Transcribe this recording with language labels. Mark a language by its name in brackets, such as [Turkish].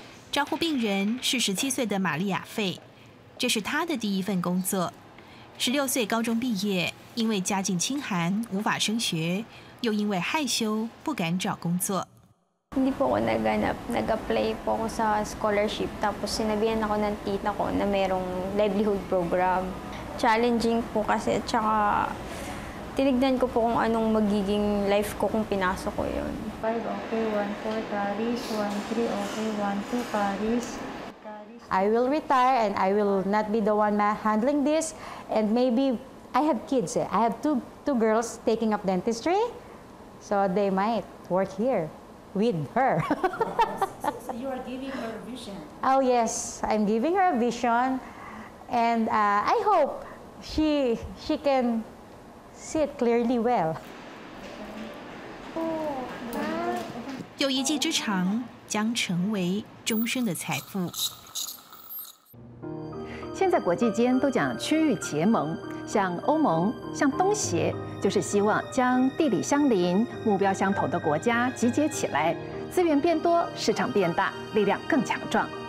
[Chinese] 招呼病人是17岁的玛丽亚费，这是她的第一份工作。 16岁高中毕业，因为家境清寒无法升学，又因为害羞不敢找工作。 [Filipino] hindi po ako nag-apply po ako sa scholarship, tapos sinabihan ako ng tita ko na mayroong livelihood program. Challenging po kasi, tsaka tinignan ko po kung anong magiging life ko kung pinasok ko yun. [English] 5, okay, 1, 4, Paris, 1, 3, okay, 1, 2, Paris. I will retire and I will not be the one handling this. And maybe I have kids. I have two girls taking up dentistry. So they might work here with her. So you are giving her a vision. Oh, yes. I'm giving her a vision. And I hope she can see it clearly well. [Chinese] 有一技之长将成为终身的财富。现在国际间都讲区域结盟，像欧盟、像东协，就是希望将地理相邻、目标相同的国家集结起来，资源变多，市场变大，力量更强壮。